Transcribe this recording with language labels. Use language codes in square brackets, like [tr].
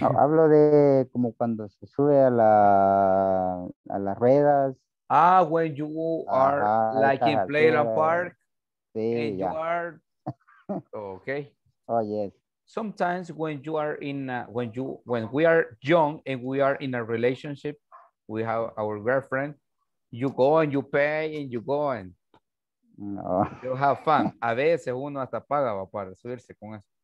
[es] No, hablo de como cuando se sube a las ruedas. [en] Ah, when you are like in playground park. Sí, and ya. You are... Okay. Oh, yes. Sometimes when you are in when we are young and we are in a relationship, we have our girlfriend, you go and you pay and you go and no. You have fun. [es] A veces uno hasta paga para subirse con eso.